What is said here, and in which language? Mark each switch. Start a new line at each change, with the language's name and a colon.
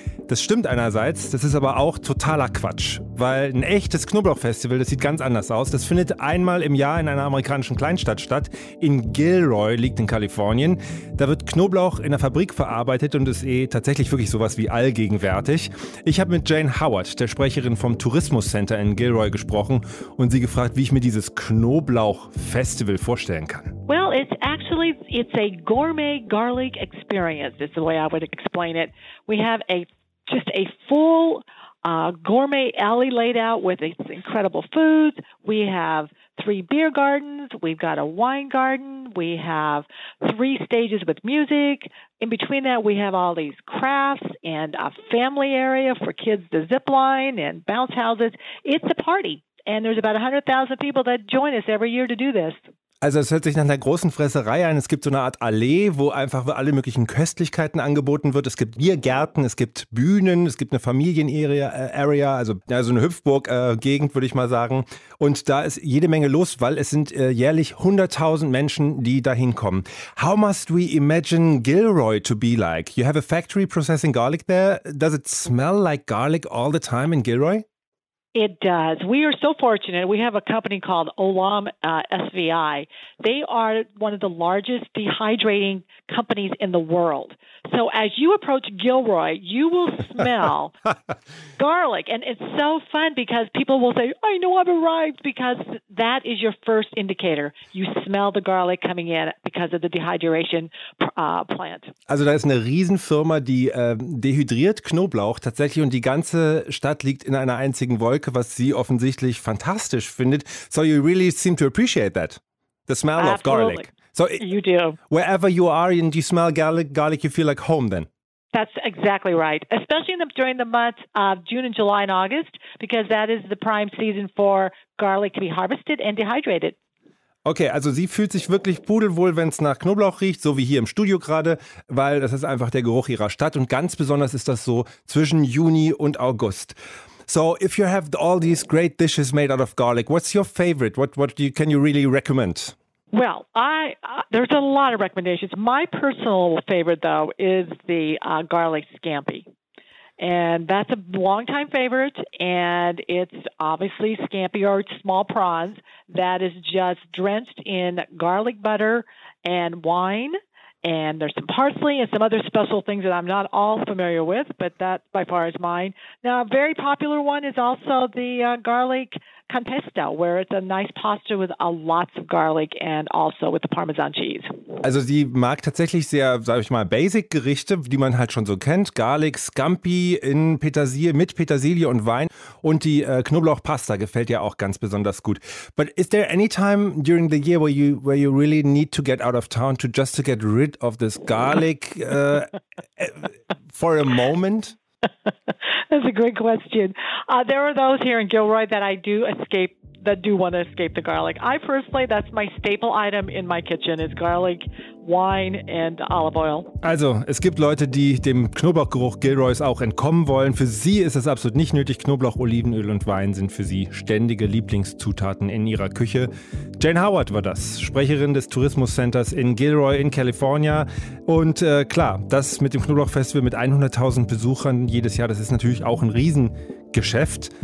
German: Das stimmt einerseits, das ist aber auch totaler Quatsch, weil ein echtes Knoblauchfestival, das sieht ganz anders aus, das findet einmal im Jahr in einer amerikanischen Kleinstadt statt, in Gilroy, liegt in Kalifornien. Da wird Knoblauch in der Fabrik verarbeitet und ist eh tatsächlich wirklich sowas wie allgegenwärtig. Ich habe mit Jane Howard, der Sprecherin vom Tourismus Center in Gilroy, gesprochen und sie gefragt, wie ich mir dieses Knoblauchfestival vorstellen kann.
English: Well, it's a gourmet garlic experience, is the way I would explain it. We have a full gourmet alley laid out with its incredible foods. We have 3 beer gardens. We've got a wine garden. We have 3 stages with music. In between that, we have all these crafts and a family area for kids to zip line and bounce houses. It's a party. And there's about 100,000 people that join us every year to do this.
German: Also es hört sich nach einer großen Fresserei an. Es gibt so eine Art Allee, wo einfach alle möglichen Köstlichkeiten angeboten wird. Es gibt Biergärten, es gibt Bühnen, es gibt eine Familien-Area, also ja, so eine Hüpfburg-Gegend, würde ich mal sagen. Und da ist jede Menge los, weil es sind jährlich 100.000 Menschen, die da hinkommen.
English: How must we imagine Gilroy to be like? You have a factory processing garlic there. Does it smell like garlic all the time in Gilroy? It does. We are so fortunate. We have a company called Olam SVI. They are one of the largest dehydrating companies in the world. So as you approach Gilroy, you will smell garlic. And it's so fun because people will say, I know I've arrived, because that is your first indicator. You smell the garlic coming in because of the dehydration plant.
German: Also da ist eine Riesenfirma, die dehydriert Knoblauch tatsächlich, und die ganze Stadt liegt in einer einzigen Wolke, was sie offensichtlich fantastisch findet.
English: So you really seem to appreciate that, the smell Absolutely. Of garlic. So you do. Wherever you are and you smell garlic, you feel like home then. That's exactly right. Especially during the months of June and July and August, because that is the prime season for garlic to be harvested and dehydrated.
German: Okay, also sie fühlt sich wirklich pudelwohl, wenn es nach Knoblauch riecht, so wie hier im Studio gerade, weil das ist einfach der Geruch ihrer Stadt. Und ganz besonders ist das so zwischen Juni und August.
English: So if you have all these great dishes made out of garlic, what's your favorite? What can you really recommend? Well, there's a lot of recommendations. My personal favorite, though, is the garlic scampi. And that's a longtime favorite. And it's obviously scampi or small prawns that is just drenched in garlic butter and wine. And there's some parsley and some other special things that I'm not all familiar with, but that by far is mine. Now, a very popular one is also the garlic con pesto, where it's a nice pasta with lots of garlic and also with the Parmesan cheese.
German: Also sie mag tatsächlich sehr, sag ich mal, Basic-Gerichte, die man halt schon so kennt. Garlic, Scampi in Petersilie, mit Petersilie und Wein. Und die Knoblauchpasta gefällt ja auch ganz besonders gut.
English: But is there any time during the year where you really need to get out of town to get rid of this garlic for a moment? That's a great question. There are those here in Gilroy that do want to escape the garlic. I personally, that's my staple item in my kitchen, is garlic, wine and olive oil.
German: Also, es gibt Leute, die dem Knoblauchgeruch Gilroys auch entkommen wollen. Für sie ist es absolut nicht nötig. Knoblauch, Olivenöl und Wein sind für sie ständige Lieblingszutaten in ihrer Küche. Jane Howard war das, Sprecherin des Tourismuscenters in Gilroy in California. Und klar, das mit dem Knoblauchfestival mit 100.000 Besuchern jedes Jahr, das ist natürlich auch ein Riesengeschäft.